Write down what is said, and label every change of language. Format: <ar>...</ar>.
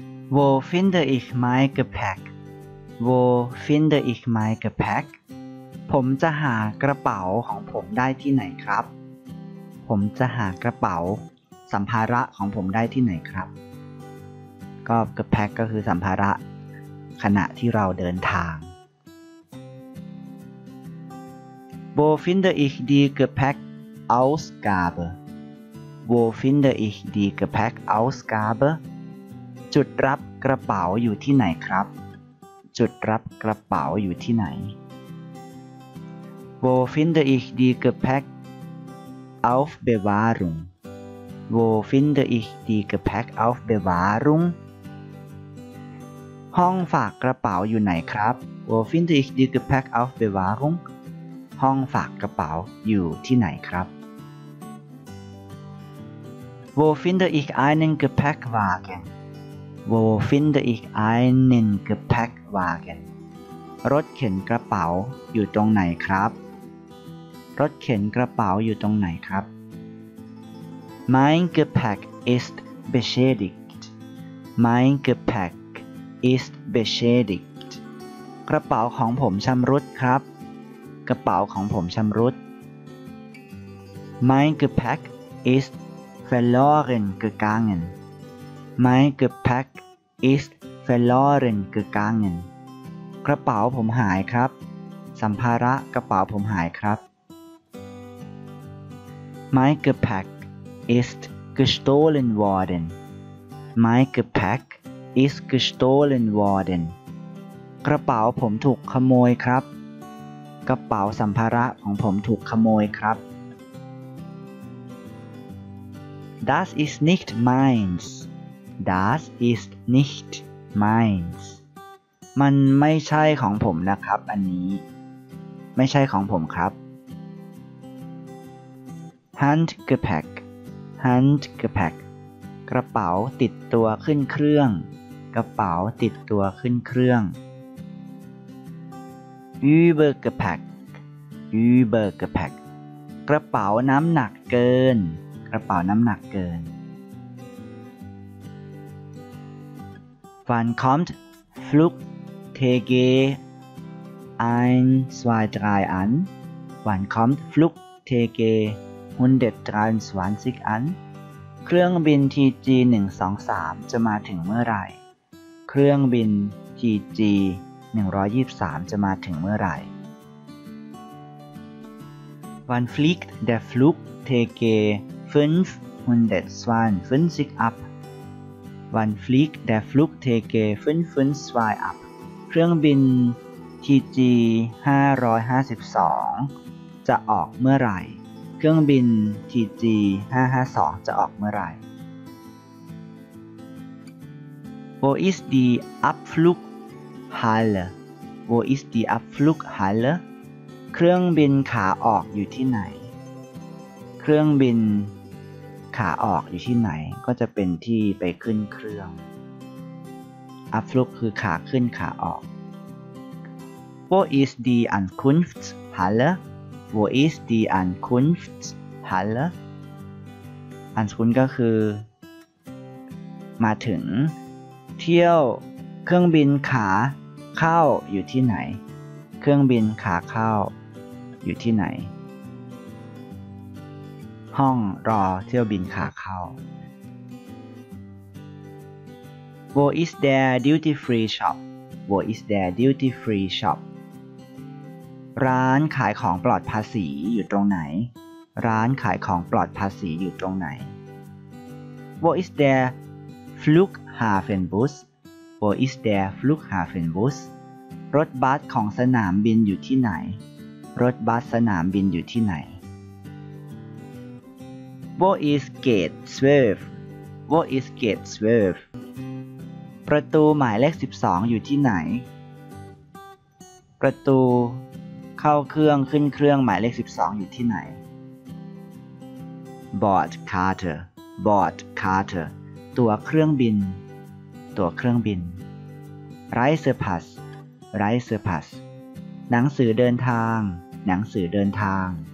<de>Wo finde ich mein Gepäck? Wo finde ich mein Gepäck?</de> <th>ผมจะหากระเป๋าของผมได้ที่ไหนครับผมจะหากระเป๋าสัมภาระของผมได้ที่ไหนครับก็ Gepäck ก็คือสัมภาระขณะที่เราเดินทาง</th> <de>Wo finde ich die Gepäck Ausgabe? Wo finde ich die Gepäck Ausgabe?</de> <th>จุดรับกระเป๋าอยู่ที่ไหนครับจุดรับกระเป๋าอยู่ที่ไหน</th> <de>Wo finde ich die Gepäck Aufbewahrung Wo finde ich die Gepäck Aufbewahrung</de> <th>ห้องฝากกระเป๋าอยู่ไหนครับ</th> <de>Wo finde ich die Gepäck Aufbewahrung</de> <th>ห้องฝากกระเป๋าอยู่ที่ไหนครับ</th> <de>Wo finde ich einen GepäckwagenWo finde ich einen Gepäckwagen?</de> <th>รถเข็นกระเป๋าอยู่ตรงไหนครับ รถเข็นกระเป๋าอยู่ตรงไหนครับ</th> <de>Mein Gepäck ist beschädigt. Mein Gepäck ist beschädigt.</de> <th>กระเป๋าของผมชำรุดครับ กระเป๋าของผมชำรุด</th> <de>Mein Gepäck ist verloren gegangenMein Gepäck ist verloren gegangen.</de> <th>กระเป๋าผมหายครับ สัมภาระกระเป๋าผมหายครับ</th> <de>Mein Gepäck ist gestohlen worden. Mein Gepäck ist gestohlen worden.</de> <th>กระเป๋าผมถูกขโมยครับ กระเป๋าสัมภาระของผมถูกขโมยครับ</th> <de>Das ist nicht meins. Das ist nicht meins.</de> <th>มันไม่ใช่ของผมนะครับอันนี้ไม่ใช่ของผมครับ Handgepäck. Handgepäck. กระเป๋าติดตัวขึ้นเครื่องกระเป๋าติดตัวขึ้นเครื่อง Übergepäck. Übergepäck. กระเป๋าน้ำหนักเกินกระเป๋าน้ำหนักเกิน</th> <de>Wann kommt Flugtegel 123 an? Wann kommt Flugtegel 123 an?</de> <th>เครื่องบิน TG 123จะมาถึงเมื่อไหร่เครื่องบิน TG 123จะมาถึงเมื่อไหร่</th> <de>Wann fliegt der Flugtegel 552 abWann fliegt der Flugtegel 552 ab?</de> <th>เครื่องบิน TG 552จะออกเมื่อไหร่เครื่องบิน TG 552จะออกเมื่อไหร่</th> <de>Wo ist die Abflughalle? Wo ist die Abflughalle?</de> <th>เครื่องบินขาออกอยู่ที่ไหนเครื่องบินขาออกอยู่ที่ไหนก็จะเป็นที่ไปขึ้นเครื่อง Abflug คือขาขึ้นขาออก</th> <de>Wo ist die Ankunftshalle? Wo ist die Ankunftshalle?</de> <th>Ankunft ก็คือมาถึงเที่ยวเครื่องบินขาเข้าอยู่ที่ไหนเครื่องบินขาเข้าอยู่ที่ไหนห้องรอเที่ยวบินขาเข้า</th> <de>Wo ist der duty free shop? Wo ist der duty free shop?</de> <th>ร้านขายของปลอดภาษีอยู่ตรงไหนร้านขายของปลอดภาษีอยู่ตรงไหน</th> <de>Wo ist der Flughafenbus? Wo ist der Flughafenbus?</de> <th>รถบัสของสนามบินอยู่ที่ไหนรถบัสสนามบินอยู่ที่ไหน</th> <de>Wo ist Gate 12? Wo ist Gate 12?</de> <th>ประตูหมายเลข12อยู่ที่ไหนประตูเข้าเครื่องขึ้นเครื่องหมายเลข12อยู่ที่ไหน Bordkarte Bordkarte ตัวเครื่องบินตัวเครื่องบิน Reisepass Reisepass หนังสือเดินทางหนังสือเดินทาง</th>